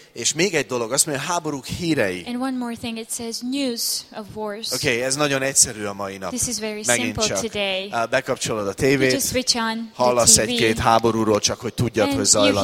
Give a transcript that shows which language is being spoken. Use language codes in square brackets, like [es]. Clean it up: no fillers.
[hu] És még egy dolog, azt mondja, háborúk hírei. [en] And one more thing, it says news of wars. [hu] Okay, ez nagyon egyszerű a mai nap. [en] This is very [hu] megint [en] simple [hu] csak. [en] Today. [hu] Bekapcsolod a tévét, [en] you just switch on the [hu] hallasz [en] TV, [hu] egy-két háborúról, csak hogy tudjad, hogy zajlanak.